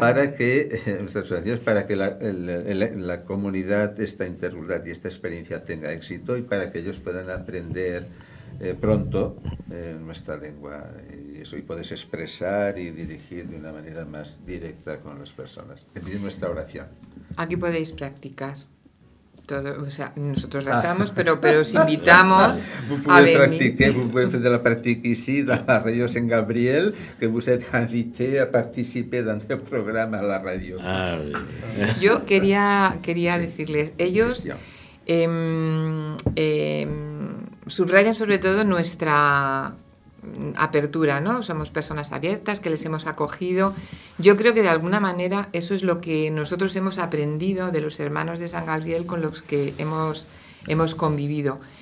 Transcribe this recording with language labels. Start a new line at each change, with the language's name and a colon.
Spanish: Para que nuestras oraciones, para que la comunidad, esta intercultural y esta experiencia tenga éxito y para que ellos puedan aprender pronto nuestra lengua y eso, y puedes expresar y dirigir de una manera más directa con las personas. Es decir, nuestra oración. Aquí podéis practicar todo, o sea, nosotros rezamos, pero os invitamos a venir.
French: Vous pouvez faire de la pratique ici, dans la radio Saint-Gabriel, que vous êtes invité à participer dans le programme à la radio. Ah, oui.
Spanish: Yo quería decirles, ellos subrayan sobre todo nuestra apertura, ¿no? Somos personas abiertas que les hemos acogido. Yo creo que de alguna manera eso es lo que nosotros hemos aprendido de los hermanos de San Gabriel con los que hemos convivido.